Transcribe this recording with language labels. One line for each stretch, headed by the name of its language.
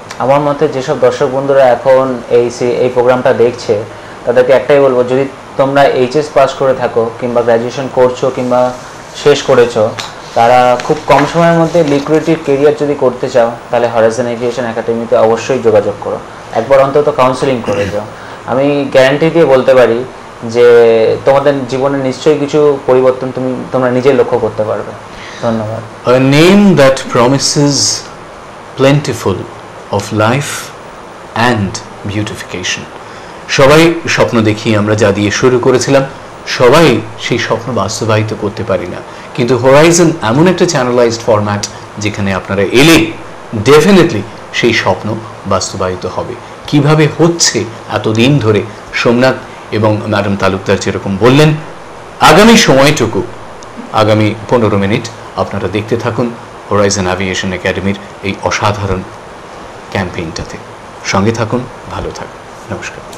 Bangla: আমার মতে যেসব দর্শক বন্ধুরা এখন এই প্রোগ্রামটা দেখছে তাদেরকে একটাই বলবো, যদি তোমরা HS পাস করে থাকো কিংবা গ্র্যাজুয়েশন করছো কিংবা শেষ করেছো, তারা খুব কম সময়ের মধ্যে লিক্রেটিভ কেরিয়ার যদি করতে চাও তাহলে হোরাইজন এভিয়েশন একাডেমিতে অবশ্যই যোগাযোগ করো, একবার অন্তত কাউন্সেলিং করে যাও। আমি গ্যারান্টি দিয়ে বলতে পারি যে তোমাদের জীবনে নিশ্চয়ই কিছু পরিবর্তন তোমরা নিজে লক্ষ্য করতে পারবে। ধন্যবাদ।
English: A name that promises plentiful of life and beautification.
Bangla: সবাই স্বপ্ন দেখি আমরা যা দিয়ে শুরু করেছিলাম, সবাই সেই স্বপ্ন বাস্তবায়িত করতে পারি না, কিন্তু হোরাইজন এমন একটা চ্যানেলাইজড ফরম্যাট যেখানে আপনারা এলে ডেফিনেটলি সেই স্বপ্ন বাস্তবায়িত হবে। কীভাবে হচ্ছে এতদিন ধরে সোমনাথ এবং ম্যাডাম তালুকদার যেরকম বললেন, আগামী সময়টুকু আগামী 15 মিনিট আপনারা দেখতে থাকুন হোরাইজন এভিয়েশন একাডেমির এই অসাধারণ ক্যাম্পেইনটাতে। সঙ্গে থাকুন, ভালো থাকুন। নমস্কার।